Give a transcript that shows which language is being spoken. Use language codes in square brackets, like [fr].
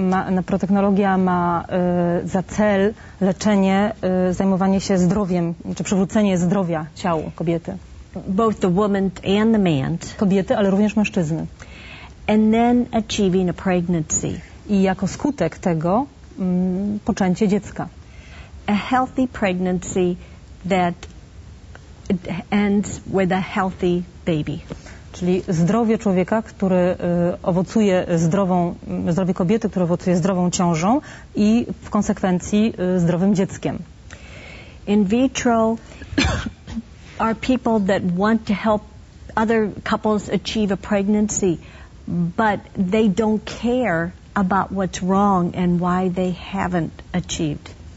[pl] Naprotechnologia ma za cel leczenie, zajmowanie się zdrowiem, czy przywrócenie zdrowia ciała kobiety. [en] Both the woman and the man. [pl] Kobiety, ale również mężczyzny. [en] And then achieving a pregnancy. [pl] I jako skutek tego poczęcie dziecka. [en] A healthy pregnancy that ends with a healthy baby. [pl] Czyli zdrowie człowieka, który owocuje zdrowie kobiety, która owocuje zdrową ciążą i w konsekwencji zdrowym dzieckiem. [en] In vitro are people that want to help other couples achieve a pregnancy, but they don't care about what's wrong and why they haven't achieved.